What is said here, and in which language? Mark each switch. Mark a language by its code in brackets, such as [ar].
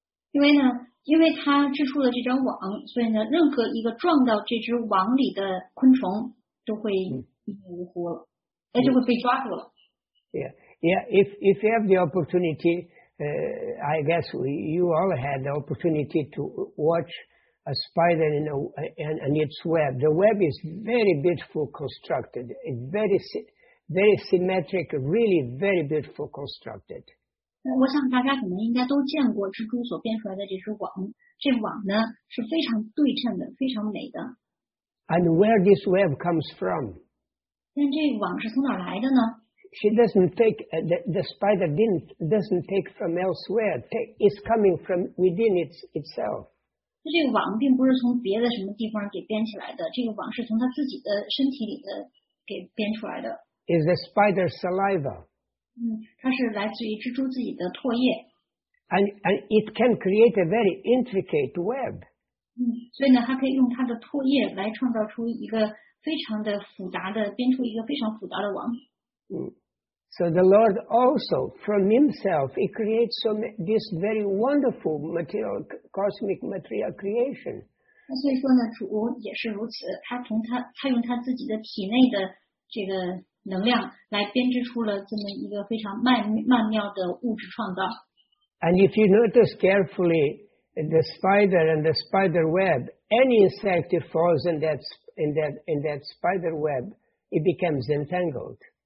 [zh] 因为呢，因为它织出了这张网，所以呢，任何一个撞到这只网里的昆虫都会一命呜呼了，那就会被抓住了。 [en] Yeah. If you have the opportunity, I guess you all had the opportunity to watch. A spider and its web. The web is very beautiful constructed. It's very, very symmetric, really very beautiful constructed. [zh] 我想大家可能应该都见过蜘蛛所编出来的这只网。这网呢是非常对称的，非常美的。 [en] And where this web comes from? [zh] 但这网是从哪来的呢？ [en] She doesn't take, the spider doesn't take from elsewhere. It's coming from within itself. [zh] 这个网并不是从别的什么地方给编起来的，这个网是从它自己的身体里的给编出来的。 [en] Is the spider saliva? [zh] 它是来自于蜘蛛自己的唾液。 [en] And it can create a very intricate web. [zh] 所以呢，它可以用它的唾液来创造出一个非常的复杂的，编出一个非常复杂的网。 [en] So the Lord also, from Himself, He creates this very wonderful material, cosmic material creation. [zh] 那所以说呢，主也是如此，他用他自己的体内的这个能量来编织出了这么一个非常曼妙的物质创造。 [en] And if you notice carefully the spider and the spider web, any insect that falls in that spider web, it becomes entangled.